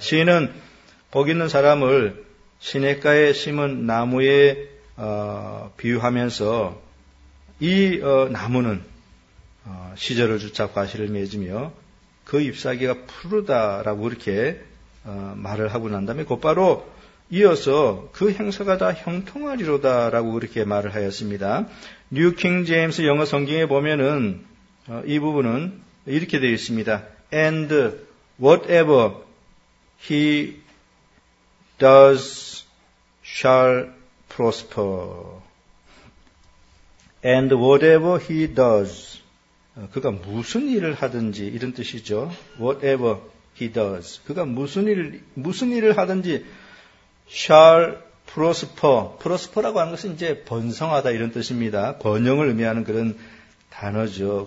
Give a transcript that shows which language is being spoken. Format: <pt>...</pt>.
<ko>시인은 복 있는 사람을 시냇가에 심은 나무에 비유하면서 이 나무는 시절을 주차 과실을 맺으며 그 잎사귀가 푸르다라고 이렇게 말을 하고 난 다음에 곧바로 이어서 그 행사가 다 형통하리로다 라고 그렇게 말을 하였습니다. 뉴 킹 제임스 영어 성경에 보면은 이 부분은 이렇게 되어 있습니다.</ko> <en>And whatever he does shall prosper. And whatever he does.</en> <ko>그가 무슨 일을 하든지 이런 뜻이죠.</ko> <en>Whatever he does.</en> <ko>그가 무슨 일을 하든지</ko> <en>shall prosper.</en> <ko>prosper라고 하는 것은 이제 번성하다 이런 뜻입니다. 번영을 의미하는 그런 단어죠.</ko>